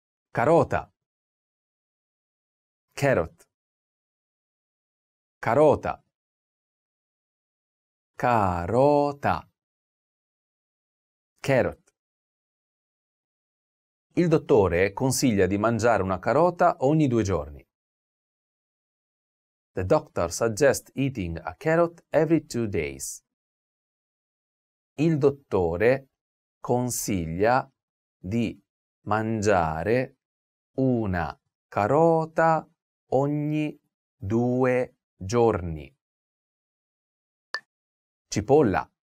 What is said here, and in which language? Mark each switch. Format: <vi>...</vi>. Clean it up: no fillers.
<it>Carota. Carrot. Carota. Carota. Carrot. Il dottore consiglia di mangiare una carota ogni due giorni.</it> <en>The doctor suggests eating a carrot every two days.</en> <it>Il dottore consiglia di mangiare una carota ogni due giorni. Cipolla.</it>